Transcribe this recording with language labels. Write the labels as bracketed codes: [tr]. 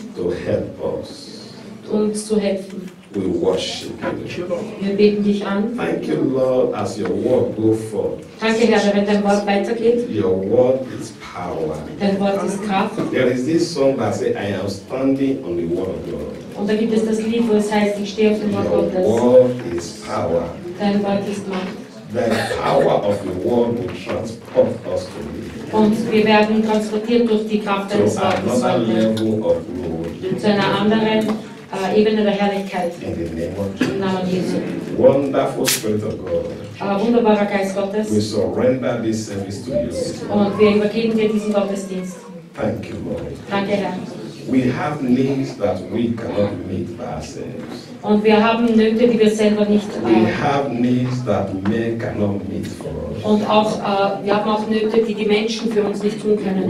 [en] To help us. [de] Uns zu helfen. [en] We worship you. [de] Wir beten dich an. [en] Thank you, Lord, as your word goes forth. [de] Danke, Herr, wenn dein Wort weitergeht. [en] Your word is power. [de] Dein Wort ist Kraft. [en] There is this song that says, I am standing on the word of God. [de] Und da gibt es das Lied, wo es heißt, ich stehe auf dem Wort Gottes. [en] Your word is power. [de] Dein Wort ist Macht. [en] The power of the word will transport us to me. [de] Und wir werden transportiert durch die Kraft deines Wortes. [en] To another level of glory. [de] Zu einer anderen Ebene der Herrlichkeit. [en] In the name of Jesus. [de] Im Namen Jesu. [en] Wonderful Spirit of God. [de] Wunderbarer Geist Gottes. [en] We surrender this service to you. [de] Und wir übergeben dir diesen Gottesdienst. [en] Thank you, Lord. [de] Danke, Herr. [en] We have needs that we cannot meet by ourselves. [de] Und wir haben Nöte, die wir selber nicht haben. [en] We have needs that men cannot meet for us. [de] Und auch wir haben auch Nöte, die Menschen für uns nicht tun können.